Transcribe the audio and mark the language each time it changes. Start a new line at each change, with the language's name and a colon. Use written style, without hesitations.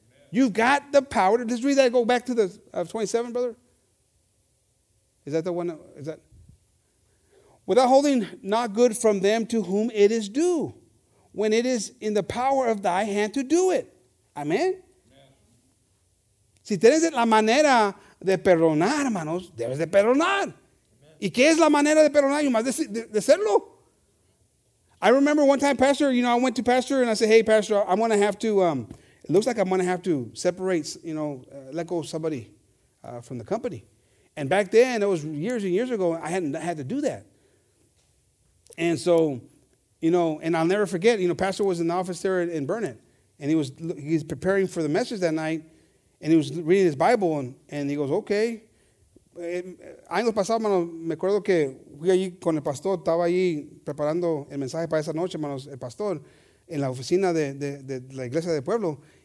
English: You've got the power to just read that. Go back to the 27, brother. Is that the one? Is that? Without holding not good from them to whom it is due, when it is in the power of thy hand to do it. Amen.
Spanish: Si tienes la manera de perdonar, hermanos, debes de perdonar. ¿Y qué es la manera de perdonar? Yo más de hacerlo.
English: I remember one time, Pastor, you know, I went to Pastor and I said, hey, Pastor, I'm going to have to, it looks like I'm going to have to separate, you know, let go of somebody from the company. And back then, it was years and years ago, I hadn't had to do that. And so, you know, and I'll never forget, you know, Pastor was in the office there in Burnett. And he was preparing for the message that night. And he was reading his Bible, and he goes, okay.
Spanish: Años pasados, hermano, me acuerdo que fui allí con el pastor, estaba allí preparando el mensaje para esa noche, hermanos, el pastor, en la oficina de la iglesia del pueblo.